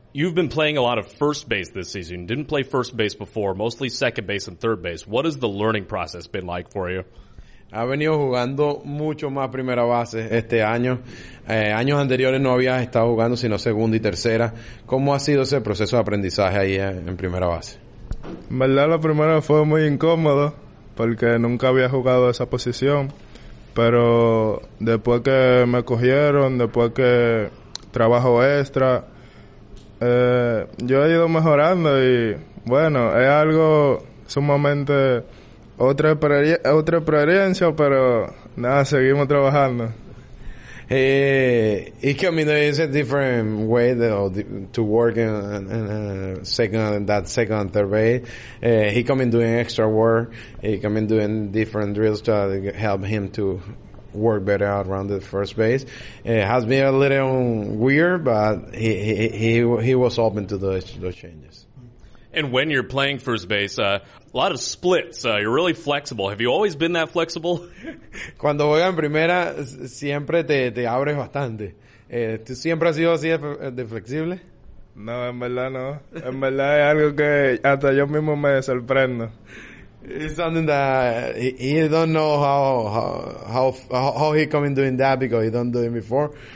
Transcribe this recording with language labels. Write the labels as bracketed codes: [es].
[en] You've been playing a lot of first base this season. Didn't play first base before, mostly second base and third base. What has the learning process been like for you? [es] Ha venido jugando mucho más primera base este año. Años anteriores no había estado jugando sino segunda y tercera. ¿Cómo ha sido ese proceso de aprendizaje ahí en primera base? En verdad, la primera fue muy incómodo porque nunca había jugado esa posición. Pero después que me cogieron, después que trabajo extra, yo he ido mejorando y, bueno, es algo sumamente otra experiencia, pero nada, seguimos trabajando. [en] It can be, there is a different way to work in second and third base. He come in doing extra work. He come in doing different drills to help him to work better around the first base. It has been a little weird, but he was open to those changes. And when you're playing first base, a lot of splits. You're really flexible. Have you always been that flexible? [es] Cuando juegas en primera, siempre te abres bastante. ¿Tú siempre has sido así de flexible? No, en verdad no. En verdad es algo que hasta yo mismo me sorprendo. [en] It's something that he don't know how he come in doing that because he don't do it before.